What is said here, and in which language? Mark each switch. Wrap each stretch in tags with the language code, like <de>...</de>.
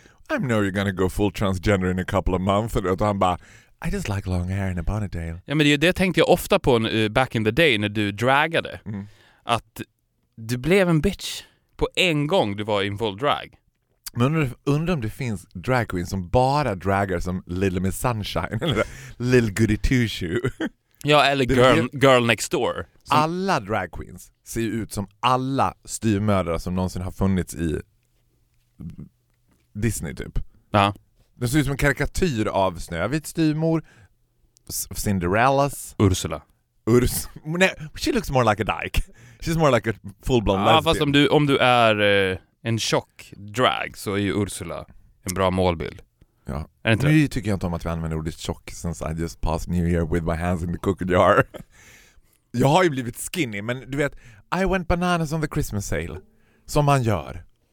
<en>I know you're gonna go full transgender in a couple of months.</en> <sv>Och han bara,</sv> <en>I just like long hair and a ponytail.</en> <sv>Ja, men det tänkte jag ofta på</sv> <en>back in the day</en> <sv>när du dragade. Mm. Att du blev en bitch på en gång du var i en full drag. Men undrar om det finns drag queens som bara dragar som Little Miss Sunshine eller Little Goody Two Shoe. Ja, eller Girl Next Door. Alla drag queens ser ut som alla styrmödrar som någonsin har funnits i Disney typ. Ja. Det ser ut som en karikatyr av Snövit styrmor, Cinderellas. Ursula.</sv> <en>Nej, she looks more like a dyke. She's more like a full-blown lesbian.</en> <sv>Ja, fast om du är... En tjock drag så är ju Ursula en bra målbild. Ja. Nu tycker jag inte om att vi använder ordet tjock</sv> <en>since I just passed New Year with my hands in the cookie jar.</en> <sv>Jag har ju blivit skinny, men du vet,</sv> <en>I went bananas on the Christmas sale.</en> <sv>Som man gör.</sv>